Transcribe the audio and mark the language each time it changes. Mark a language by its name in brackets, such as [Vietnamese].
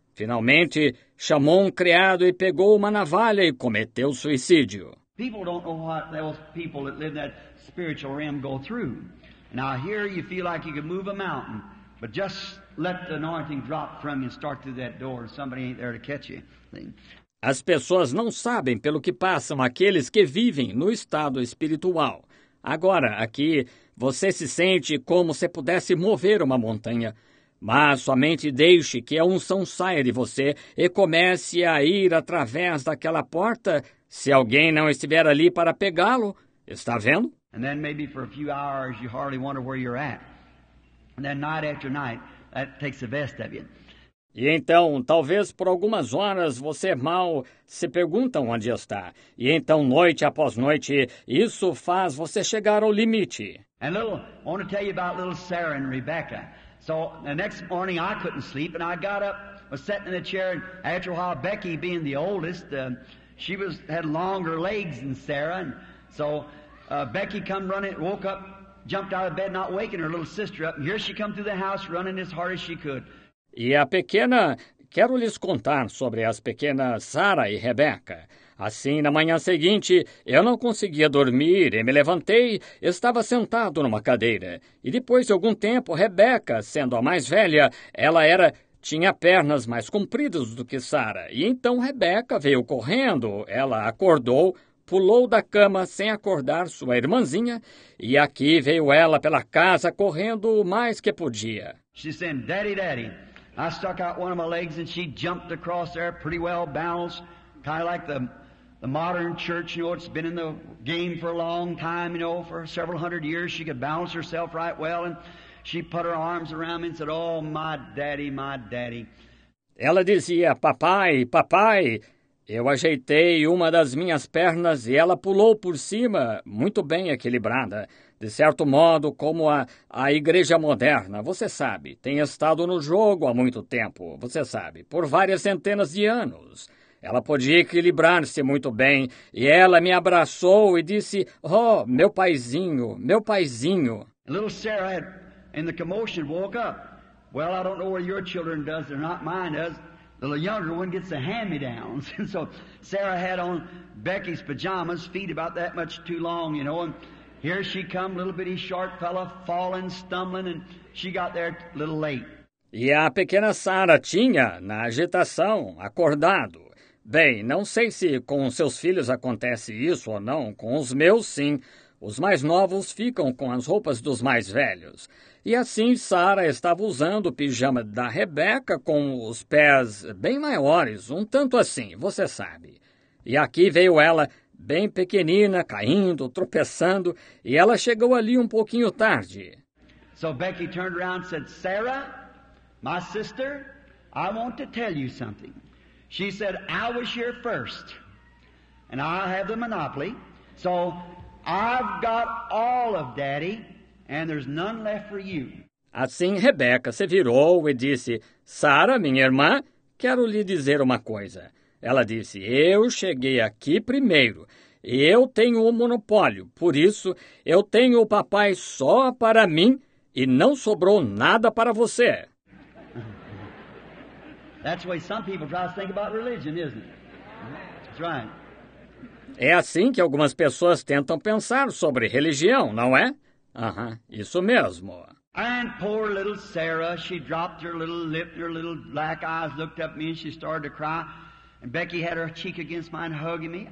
[Portuguese] Finalmente, chamou um criado e pegou uma navalha e cometeu suicídio. [English] People don't know what those people that live in that spiritual realm go through. Now here you feel like you can move a mountain, but just let the anointing drop from you and start through that door. Somebody ain't there to catch you. [Portuguese] As pessoas não sabem pelo que passam aqueles que vivem no estado espiritual. Agora, aqui, você se sente como se pudesse mover uma montanha. Mas somente deixe que a unção saia de você e comece a ir através daquela porta. Se alguém não estiver ali para pegá-lo, está vendo? [English] And then maybe for a few hours you hardly wonder where you're at. And then night after night, that takes the best of you. [Portuguese] E então, talvez por algumas horas você mal se pergunta onde está. E então, noite após noite, isso faz você chegar ao limite. [English] And little, I want to tell you about little Sarah and Rebecca. So the next morning I couldn't sleep and I got up, was sitting in the chair, and after a while, Becky being the oldest, she was had longer legs than Sarah, and so Becky come running, woke up, jumped out of bed, not waking her little sister up. Here she come through the house, running as hard as she could. [Portuguese] E a pequena, quero lhes contar sobre as pequenas Sarah e Rebecca. Assim, na manhã seguinte, eu não conseguia dormir e me levantei, estava sentado numa cadeira. E depois de algum tempo, Rebecca, sendo a mais velha, tinha pernas mais compridas do que Sarah. E então Rebecca veio correndo, ela acordou, pulou da cama sem acordar sua irmãzinha, e aqui veio ela pela casa correndo o mais que podia. [English] She said, "Daddy, Daddy, I stuck out one of my legs and she jumped across there pretty well balanced, kind of like the modern church, you know, it's been in the game for a long time, you know, for several hundred years, she could balance herself right well, and she put her arms around me and said, 'Oh, my daddy, my daddy.'" [Portuguese] Ela dizia, "Papai, papai." Eu ajeitei uma das minhas pernas e ela pulou por cima, muito bem equilibrada. De certo modo, como a igreja moderna, você sabe, tem estado no jogo há muito tempo, você sabe, por várias centenas de anos. Ela podia equilibrar-se muito bem e ela me abraçou e disse, "Oh, meu paizinho, meu paizinho." [English] Little Sarah, in the commotion, woke up. Well, I don't know what your children does, they're not mine does. The younger one gets the hand-me-downs. And so Sarah had on Becky's pajamas, feet about that much too long, you know. And here she come, little bitty short fella, falling, stumbling, and she got there a little late. [Portuguese] E a pequena Sarah tinha, na agitação, acordado. Bem, não sei se com os seus filhos acontece isso ou não, com os meus, sim. Os mais novos ficam com as roupas dos mais velhos. E assim, Sarah estava usando o pijama da Rebecca com os pés bem maiores, um tanto assim, você sabe. E aqui veio ela, bem pequenina, caindo, tropeçando, e ela chegou ali um pouquinho tarde. [English] So Becky turned around and said, "Sarah, my sister, I want to tell you something. She said, I was here first, and I have the monopoly, so I've got all of Daddy, and there's none left for you." [Portuguese] Assim, Rebecca se virou e disse, "Sarah, minha irmã, quero lhe dizer uma coisa." Ela disse, "Eu cheguei aqui primeiro. Eu tenho o monopólio, por isso eu tenho o papai só para mim e não sobrou nada para você. [English] That's the way some people try to think about religion, isn't it? That's right. [Portuguese] É assim que algumas pessoas tentam pensar sobre religião, não é? Aham, isso mesmo. [English] And poor little Sarah, she dropped her little lip, her little black eyes looked up at me and she started to cry. And Becky had her cheek against mine hugging me.